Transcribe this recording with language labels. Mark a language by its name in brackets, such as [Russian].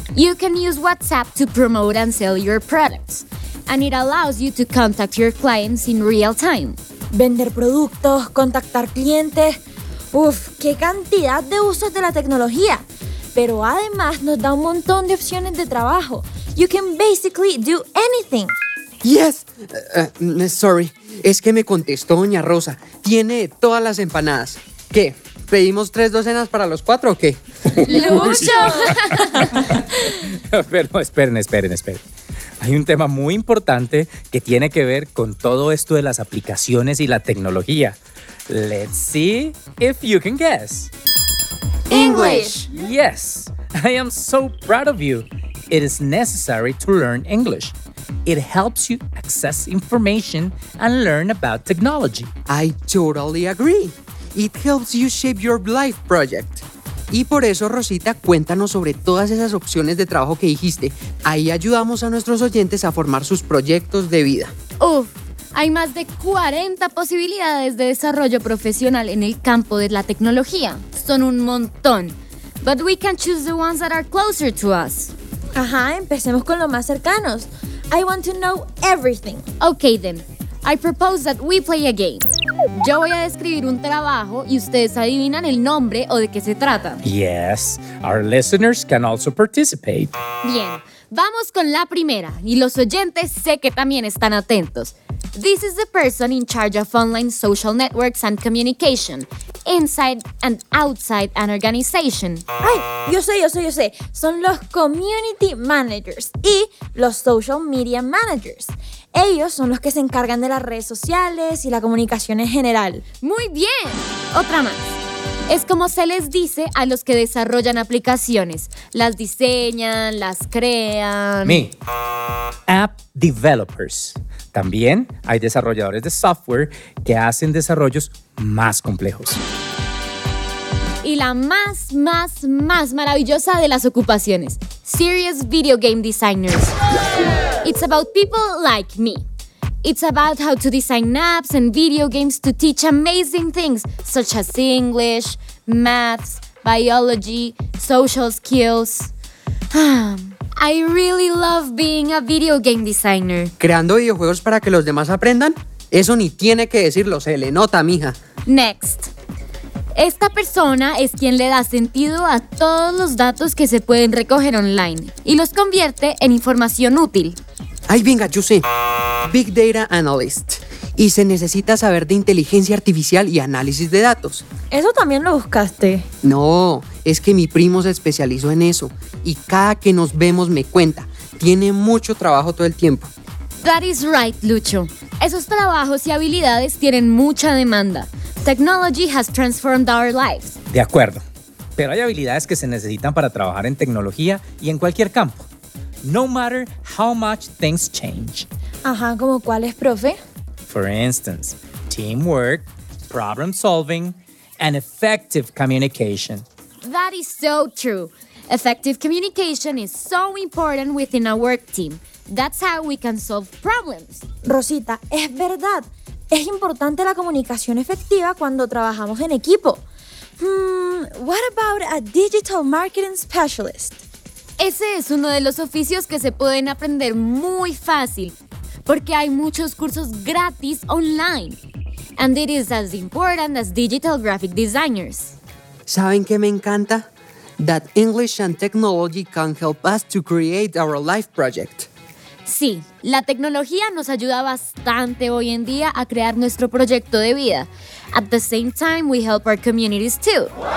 [English] You can use WhatsApp to promote and sell your products. And it allows you to contact your clients in real time. [Spanish] Vender productos, contactar clientes. Uf, qué cantidad de usos de la tecnología. Pero además nos da un montón de opciones de trabajo. [English] You can basically do anything. Yes. Sorry. [Spanish] Es que me contestó Doña Rosa. Tiene todas las empanadas. ¿Qué? ¿Pedimos 3 docenas para los 4 o qué? ¡Lucho! Pero esperen. Hay un tema muy importante que tiene que ver con todo esto de las aplicaciones y la tecnología. [English] Let's see if you can guess. English. Yes, I am so proud of you. It is necessary to learn English. It helps you access information and learn about technology. I totally agree. It helps you shape your life project. [Spanish] Y por eso, Rosita, cuéntanos sobre todas esas opciones de trabajo que dijiste. Ahí ayudamos a nuestros oyentes a formar sus proyectos de vida. ¡Uf! Hay más de 40 posibilidades de desarrollo profesional en el campo de la tecnología. Son un montón. [English] But we can choose the ones that are closer to us. [Spanish] Ajá, empecemos con los más cercanos. [English] I want to know everything. Okay then. I propose that we play a game. [Spanish] Yo voy a describir un trabajo y ustedes adivinan el nombre o de qué se trata. [English] Yes, our listeners can also participate. [Spanish] Bien, vamos con la primera y los oyentes sé que también están atentos. [English] This is the person in charge of online social networks and communication, inside and outside an organization. [Spanish] Ay, yo sé. Son los community managers y los social media managers. Ellos son los que se encargan de las redes sociales y la comunicación en general. ¡Muy bien! Otra más. Es como se les dice a los que desarrollan aplicaciones. Las diseñan, las crean. [English] Me. App developers. [Spanish] También hay desarrolladores de software que hacen desarrollos más complejos. Y la más maravillosa de las ocupaciones. [English] Serious video game designers. It's about people like me. It's about how to design apps and video games to teach amazing things such as English, maths, biology, social skills. I really love being a video game designer. [Spanish] ¿Creando videojuegos para que los demás aprendan? Eso ni tiene que decirlo, se le nota, mija. [English] Next. [Spanish] Esta persona es quien le da sentido a todos los datos que se pueden recoger online y los convierte en información útil. Ay, venga, yo sé. Big Data Analyst. Y se necesita saber de inteligencia artificial y análisis de datos. ¿Eso también lo buscaste? No, es que mi primo se especializó en eso. Y cada que nos vemos me cuenta. Tiene mucho trabajo todo el tiempo. [English] That is right, [Spanish] Lucho. Esos trabajos y habilidades tienen mucha demanda. [English] Technology has transformed our lives. [Spanish] De acuerdo. Pero hay habilidades que se necesitan para trabajar en tecnología y en cualquier campo. [English] No matter how much things change. [Spanish] Ajá, ¿como cuáles, profe? [English] For instance, teamwork, problem solving, and effective communication. That is so true. Effective communication is so important within a work team. That's how we can solve problems. [Spanish] Rosita, es verdad. Es importante la comunicación efectiva cuando trabajamos en equipo. [English] What about a digital marketing specialist? [Spanish] Ese es uno de los oficios que se pueden aprender muy fácil, porque hay muchos cursos gratis online. [English] And it is as important as digital graphic designers. [Spanish] ¿Saben qué me encanta? [English] That English and technology can help us to create our life project. [Spanish] Sí, la tecnología nos ayuda bastante hoy en día a crear nuestro proyecto de vida. [English] At the same time, we help our communities too.